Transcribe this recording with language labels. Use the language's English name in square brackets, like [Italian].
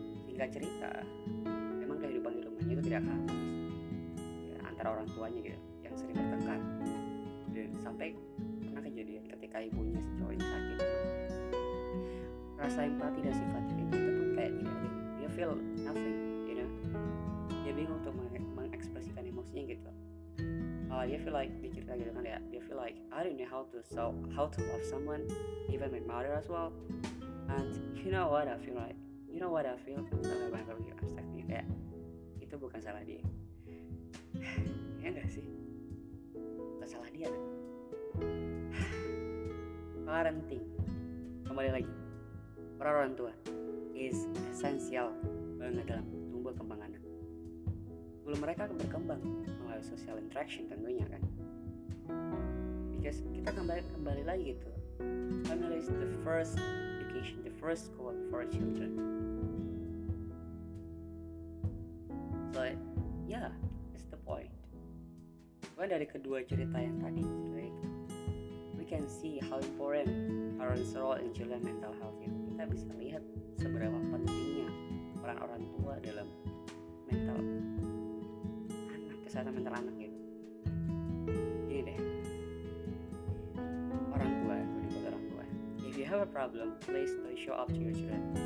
[Indonesian] Singkat cerita, memang kehidupan di rumahnya itu tidak harmonis. Ya, antara orang tuanya gitu yang sering bertengkar. Dan sampai pernah kejadian ketika ibunya si cowok ini sakit. Rasa empati dan sifat itu tetap kayak dia. Dia [English] feel nothing, you know. [Indonesian] Dia bingung untuk mengekspresikan emosinya gitu. Dia [English] feel like [Indonesian] di cerita gitu kan ya, dia [English] feel like I don't know how to love someone, even my mother as well. And you know what I feel like? You know what I feel? [Indonesian] Salah banget gitu, abstract gitu ya. Itu bukan salah dia. Ya enggak sih? Bukan salah dia. Parenting. Kembali lagi. Peran orang tua [English] is essential [Indonesian] banget dalam tumbuh kembang anak. Sebelum mereka berkembang melalui social interaction tentunya kan. [English] Because [Indonesian] kita kembali lagi gitu. [English] Family is the first education, the first school for children. So yeah, it's the point. Well, [Indonesian] dari kedua cerita yang tadi, [English] right? We can see how important parents role in children mental health. [Indonesian] Ya. Kita bisa lihat seberapa pentingnya peran orang tua dalam mental kesehatan mental anak gitu. Gini deh, orang tua, aku dikata orang tua, [English] if you have a problem, please don't show up to your children.